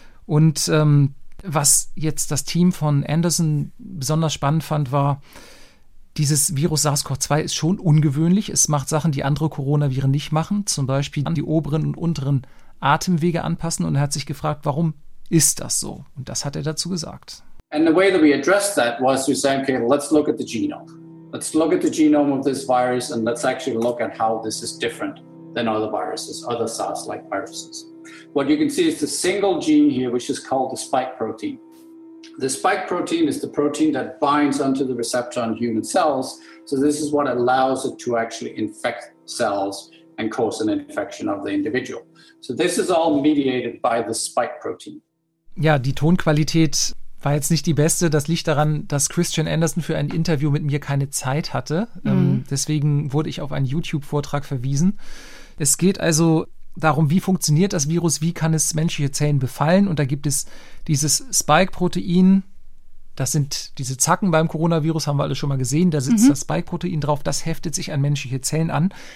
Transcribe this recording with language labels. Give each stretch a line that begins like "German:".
German: Und was jetzt das Team von Anderson besonders spannend fand, war, dieses Virus SARS-CoV-2 ist schon ungewöhnlich. Es macht Sachen, die andere Coronaviren nicht machen, zum Beispiel die oberen und unteren Atemwege anpassen. Und er hat sich gefragt, warum ist das so? Und das hat er dazu gesagt.
English: And the way that we addressed that was to say, okay, let's look at the genome. Let's look at the genome of this virus and let's actually look at how this is different than other viruses, other SARS-like viruses. What you can see is the single gene here, which is called the spike protein. The spike protein is the protein that binds onto the receptor on human cells. So this is what allows it to actually infect cells and cause an infection of the individual. So this is all mediated by the spike protein.
German: Ja, die Tonqualität war jetzt nicht die beste. Das liegt daran, dass Christian Anderson für ein Interview mit mir keine Zeit hatte. Deswegen wurde ich auf einen YouTube-Vortrag verwiesen. Es geht also darum, wie funktioniert das Virus, wie kann es menschliche Zellen befallen? Und da gibt es dieses Spike-Protein, das sind diese Zacken beim Coronavirus, haben wir alle schon mal gesehen, da sitzt das Spike-Protein drauf, das heftet sich an menschliche Zellen an.